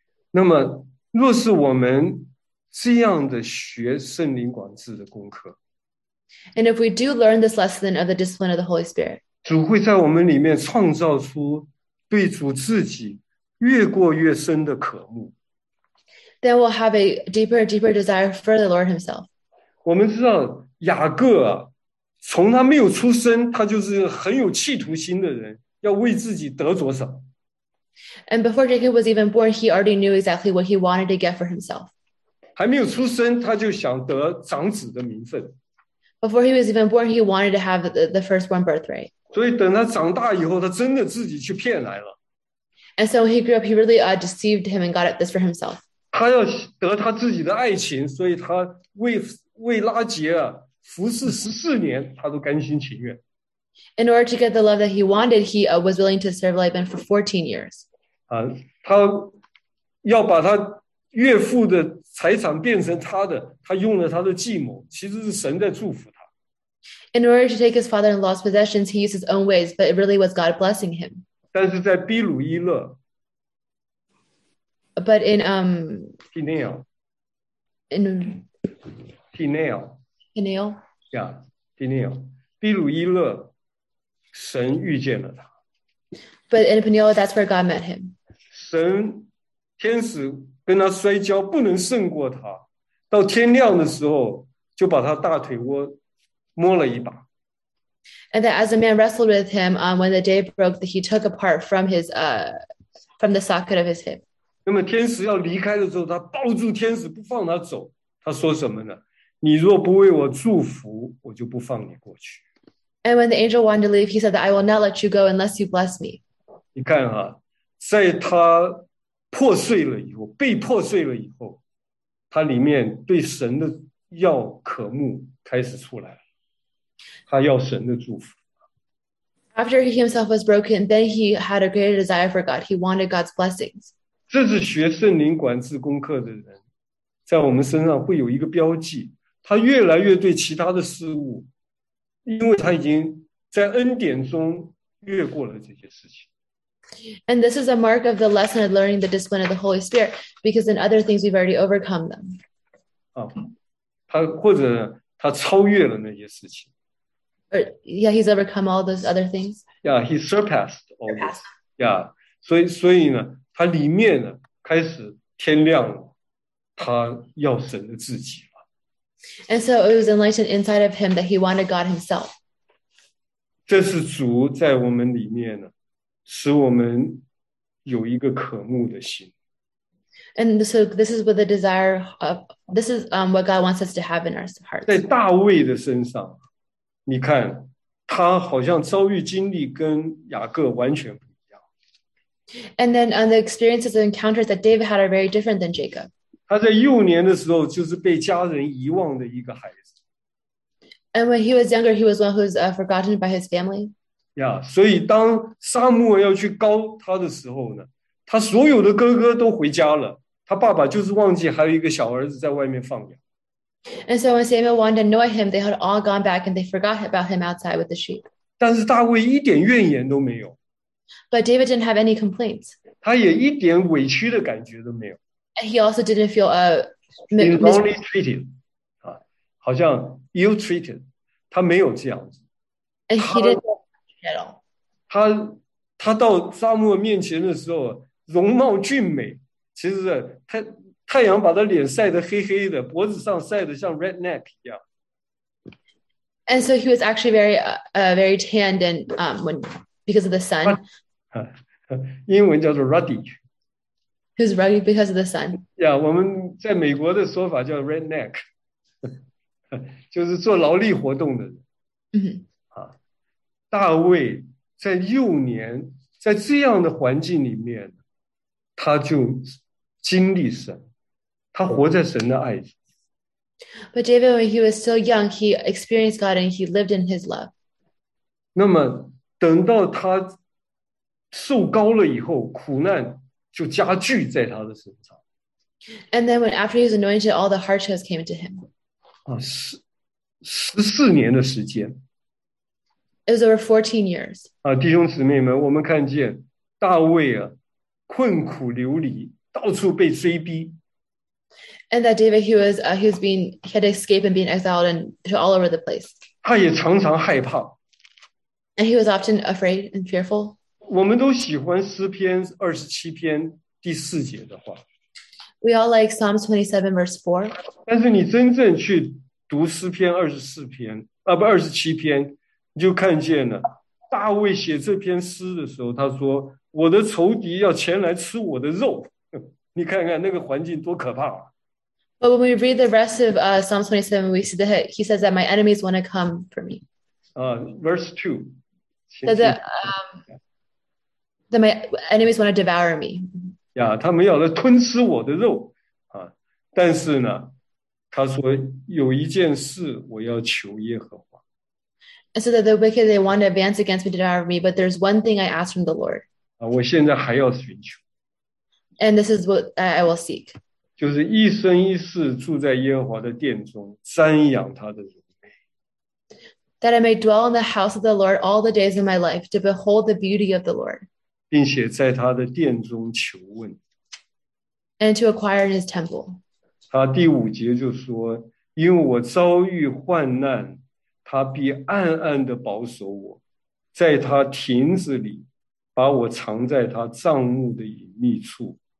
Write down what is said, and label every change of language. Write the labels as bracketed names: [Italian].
[Chinese] 那么，若是我们这样的学圣灵管制的功课， [English] and if we do learn this lesson of the discipline of the Holy Spirit, [Chinese] 主会在我们里面创造出对主自己越过越深的渴慕。 [English] Then we'll have a deeper, deeper desire for the Lord Himself. [Chinese] 我们知道雅各啊。从他没有出生，他就是很有企图心的人，要为自己得着什么。 [English] And before Jacob was even born, he already knew exactly what he wanted to get for himself. [Chinese] 还没有出生，他就想得长子的名分。 [English] Before he was even born, he wanted to have the firstborn birthright. [Chinese] 所以等他长大以后，他真的自己去骗来了。 [English] And so when he grew up, he really deceived him and got this for himself. [Chinese] 他要得他自己的爱情，所以他为拉结啊。服侍十四年，他都甘心情愿。 [English] In order to get the love that he wanted, he was willing to serve Laban for 14 years. [Chinese] 啊，他要把他岳父的财产变成他的，他用了他的计谋，其实是神在祝福他。 [English] In order to take his father-in-law's possessions, he used his own ways, but it really was God blessing him. [Chinese] 但是在比鲁伊勒。 [English] But in Peniel. In Peniel. Peniel. Yeah, [Chinese] Peniel. 比鲁伊勒，神遇见了他。 [English] But in Peniel, that's where God met him. [Chinese] 神，天使跟他摔跤，不能胜过他。到天亮的时候，就把他大腿窝摸了一把。 [English] And that as a man wrestled with him, when the day broke, he took apart from his, from the socket of his hip. [Chinese] 那么天使要离开的时候，他抱住天使不放他走。他说什么呢？你若不为我祝福，我就不放你过去。 [English] And when the angel wanted to leave, he said that I will not let you go unless you bless me. [Chinese] 你看啊，在他破碎了以后，被破碎了以后，他里面对神的要渴慕开始出来了，他要神的祝福。 [English] After he himself was broken, then he had a greater desire for God. He wanted God's blessings. [Chinese] 这是学圣灵管制功课的人，在我们身上会有一个标记。他越来越对其他的事物，因为他已经在恩典中越过了这些事情。 [English] And this is a mark of the lesson of learning the discipline of the Holy Spirit, because in other things we've already overcome them. [Chinese] 啊，他或者他超越了那些事情。 [English] Or, yeah, he's overcome all those other things. Yeah, he surpassed all this. Yeah, [Chinese] 所以呢，他里面呢开始天亮了，他要神的自己。 [English] And so it was enlightened inside of him that he wanted God himself. [Chinese] 这是主在我们里面呢，使我们有一个渴慕的心。 [English] And so this is what the desire of, this is what God wants us to have in our hearts. [Chinese] 在大卫的身上，你看，他好像遭遇经历跟雅各完全不一样。 [English] And then the experiences and encounters that David had are very different than Jacob. [Chinese] 他在幼年的时候就是被家人遗忘的一个孩子。 [English] And when he was younger, he was one who was forgotten by his family. Yeah, [Chinese] 所以当撒母耳要去告他的时候呢，他所有的哥哥都回家了，他爸爸就是忘记还有一个小儿子在外面放羊。 [English] And so when Samuel wanted to anoint him, they had all gone back and they forgot about him outside with the sheep. [Chinese] 但是大卫一点怨言都没有。 [English] But David didn't have any complaints. [Chinese] 他也一点委屈的感觉都没有。 [English] And he also didn't feel wrongly treated. [Chinese] 好像 [English] ill-treated. [Chinese] 他没有这样子。 [English] And he didn't feel treated at all. [Chinese] 他到撒母耳面前的时候容貌俊美，其实太阳把他脸晒得黑黑的，脖子上晒得像 redneck 一样。 [English] And so he was actually very, very tanned, and when because of the sun. [Chinese] 英文叫做 ruddy. [English] He was ruddy because of the sun. Yeah, [Chinese] 我们在美国的说法叫 redneck, 就是做劳力活动的人。大卫在幼年在这样的环境里面，他就经历神。他活在神的爱。 [English] But David, when he was still young, he experienced God and he lived in his love. [Chinese] 那么等到他受高了以后，苦难就加剧在他的身上。 [English] And then when after he was anointed, all the hardships came to him. [Chinese] 14年的时间。 [English] It was over 14 years. [Chinese] 弟兄姊妹们，我们看见大卫啊，困苦流离，到处被追逼。 [English] And that David, he had escaped and being exiled and to all over the place. [Chinese] 他也常常害怕。 [English] And he was often afraid and fearful. [Chinese] 我们都喜欢诗篇27篇第四节的话。 [English] We all like Psalms 27 verse 4. [Chinese] 但是你真正去读诗篇24篇，不，27篇，你就看见了，大卫写这篇诗的时候，他说，我的仇敌要前来吃我的肉。你看看那个环境多可怕啊。 [English] But when we read the rest of Psalm 27, we see that he says that my enemies want to come for me. Verse 2. That my enemies want to devour me. Yeah, [Chinese] 他们要来吞吃我的肉。但是呢，他说有一件事我要求耶和华。 [English] And so that the wicked, they want to advance against me, devour me, but there's one thing I ask from the Lord. [Chinese] 我现在还要寻求。 [English] And this is what I will seek. [Chinese] 就是一生一世住在耶和华的殿中，瞻仰他的荣美。 [English] That I may dwell in the house of the Lord all the days of my life to behold the beauty of the Lord. [Chinese] 并且在他的殿中求问。 [English] And to acquire in his temple. [Chinese] 他第五节就说，因为我遭遇患难，他必暗暗地保守我，在他亭子里，把我藏在他帐幕的隐秘处。